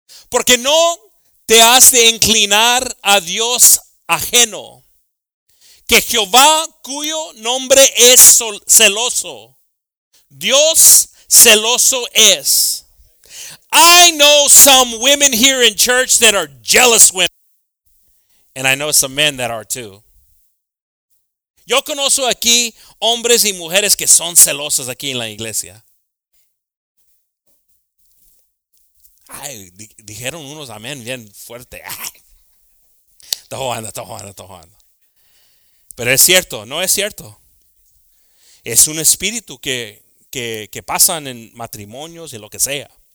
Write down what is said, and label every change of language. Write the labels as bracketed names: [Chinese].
[Spanish] Porque no te has de inclinar a Dios ajeno, que Jehová, cuyo nombre es celoso, Dios celoso es. [English] I know some women here in church that are jealous women. And I know some men that are too. [Spanish] Yo conozco aquí hombres y mujeres que son celosos aquí en la iglesia. Ay, dijeron unos amén bien fuerte. Estoy jugando. Pero es cierto, no es cierto. Es un espíritu que pasan en matrimonios y lo que sea.